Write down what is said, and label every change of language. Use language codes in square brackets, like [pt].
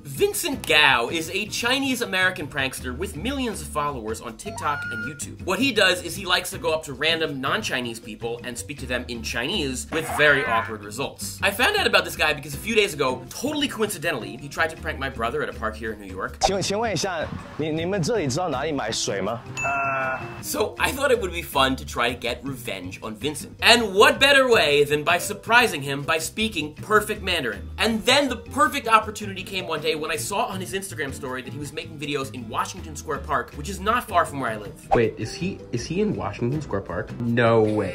[en] Vincent Gao is a Chinese-American prankster with millions of followers on TikTok and YouTube. What he does is he likes to go up to random non-Chinese people and speak to them in Chinese with very awkward results. I found out about this guy because a few days ago, totally coincidentally, he tried to prank my brother at a park here in New York. [zh] 请问一下，你们这里知道哪里买水吗？ [en] So I thought it would be fun to try to get revenge on Vincent. And what better way than by surprising him by speaking perfect Mandarin? And then the perfect opportunity came one day when I saw on his Instagram story that he was making videos in Washington Square Park, which is not far from where I live. Wait, is he in Washington Square Park? No way.